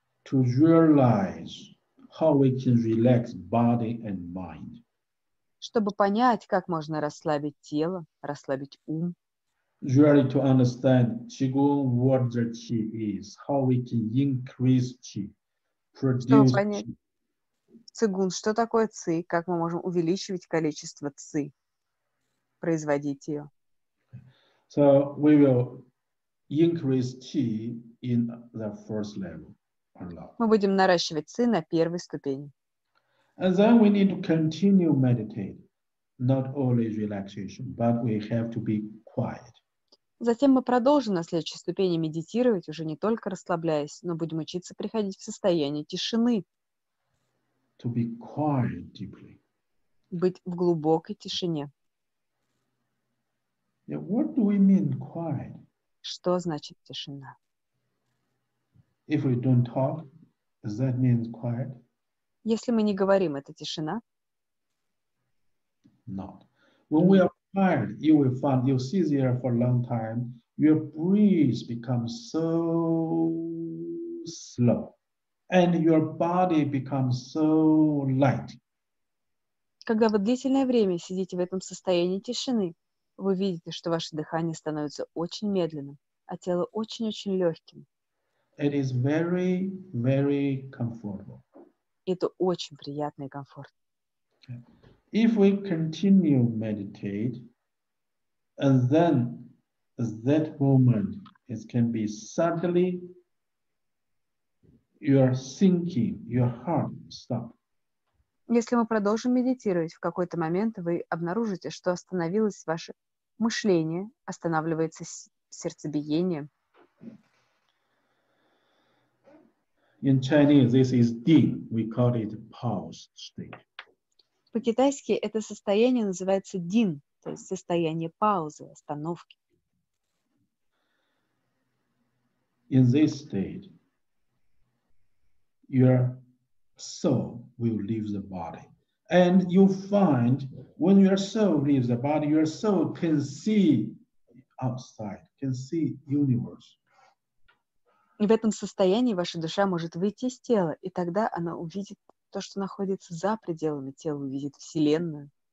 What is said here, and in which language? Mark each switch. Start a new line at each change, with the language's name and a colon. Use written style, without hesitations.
English: To realize how we can relax body and mind.
Russian: Чтобы понять, как можно расслабить тело, расслабить ум.
English: Really to understand qigong, what the qi is, how we can increase qi, produce qi.
Russian: Цигун, что такое ци? Как мы можем увеличивать количество ци, производить ее?
English: So we will increase qi in the first level.
Russian: Мы будем наращивать ци на первой ступени.
English: And then we need to continue meditate, not only relaxation, but we have to be quiet.
Russian: Затем мы продолжим на следующей ступени медитировать уже не только расслабляясь, но будем учиться приходить в состояние тишины.
English: To be quiet deeply.
Russian: Быть в глубокой тишине.
English: Yeah, what do we mean quiet?
Russian: Что значит тишина?
English: If we don't talk, does that mean quiet?
Russian: Если мы не говорим, это тишина?
English: Not. When we are quiet, you will find you sit there for a long time, your breath becomes so slow. And your body becomes so light.
Russian: Когда вы длительное время сидите в этом состоянии тишины, вы видите, что ваше дыхание становится очень медленным, а тело очень-очень легким.
English: It is very, very comfortable.
Russian: Это очень приятный комфорт.
English: If we continue meditate, and then that moment it can be suddenly. Your thinking, your heart stop.
Russian: Если мы продолжим медитировать, в какой-то момент вы обнаружите, что остановилось ваше мышление, останавливается сердцебиение.
English: In Chinese, this is ding. We call it pause state.
Russian: По-китайски это состояние называется дин, то есть состояние паузы, остановки.
English: In this state, your soul will leave the body. And you find when your soul leaves the body, your soul can see outside, can see universe.
Russian: В этом состоянии ваша душа может выйти из тела, и тогда она увидит то, что находится за пределами тела, увидит Вселенную.